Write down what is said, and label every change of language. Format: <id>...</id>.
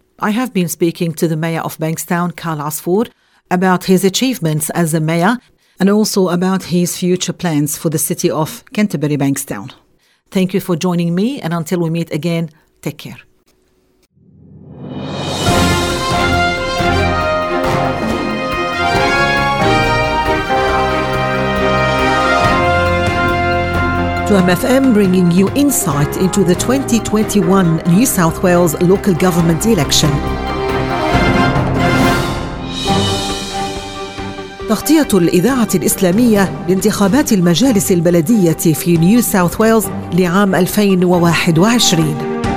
<en>I have been speaking to the mayor of Bankstown, Carl Asford, about his achievements as a mayor and also about his future plans for the city of Canterbury Bankstown. Thank you for joining me, and until we meet again, take care. To MFM, bringing you insight into the 2021 New South Wales local government election.</en> <ar>تغطية الإذاعة الإسلامية لانتخابات المجالس البلدية في New South Wales لعام 2021.</ar>